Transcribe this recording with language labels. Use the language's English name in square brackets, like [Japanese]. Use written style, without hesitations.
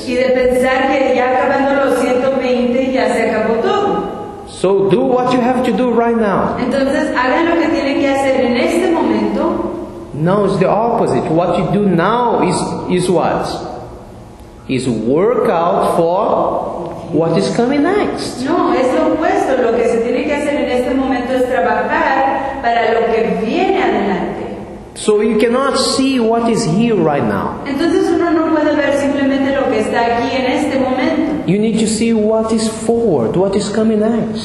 [Spanish] Y de pensar que ya acabando los 120 ya se acabó todo. [English] So do what you have to do right now. [Spanish] Entonces hagan lo que tienen que hacer en este momento. [English] No, it's the opposite. What you do now is what? Is work out for what is coming next. [Spanish] No, es lo opuesto. Lo que se tiene que hacer en este momento es trabajar para lo que viene adelante. [English] So you cannot see what is here right now. [Spanish] Entonces uno no puede ver simplemente lo que está aquí en este momento. [English] You need to see what is forward, what is coming next.